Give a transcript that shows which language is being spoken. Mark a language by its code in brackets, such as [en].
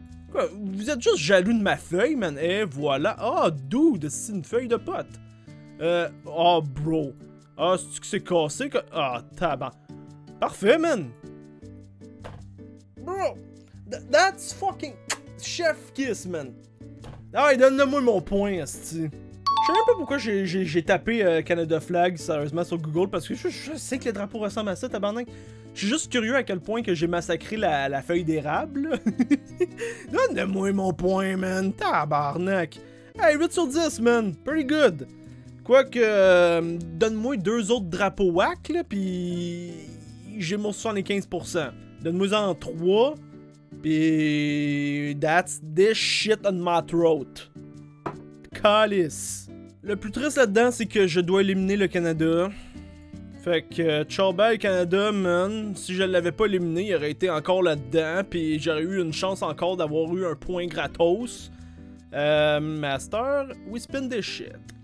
[fr] Quoi, vous êtes juste jaloux de ma feuille, man. Et voilà. Oh, dude, c'est une feuille de pote. Oh, bro. Ah, oh, c'est-tu que c'est cassé? Ah, tabac. Parfait, man. [en] Bro, that's fucking chef kiss, man. [fr] Ah, donne-moi mon point, esti. Je sais même pas pourquoi j'ai tapé Canada flag, sérieusement, sur Google, parce que je sais que le drapeau ressemble à ça, tabarnak. Je suis juste curieux à quel point que j'ai massacré la feuille d'érable. Donne-moi mon point, man. Tabarnak. Hey, 8 sur 10, man. [en] Pretty good. [fr] Quoique, donne-moi deux autres drapeaux whack, là, pis j'ai mon 75%. Donne-moi-en 3, pis [en] that's this shit on my throat. [fr] Calice. Le plus triste là-dedans, c'est que je dois éliminer le Canada. Fait que, ciao bye Canada, man. Si je l'avais pas éliminé, il aurait été encore là-dedans. Puis j'aurais eu une chance encore d'avoir eu un point gratos. [en] Master, we spin this shit.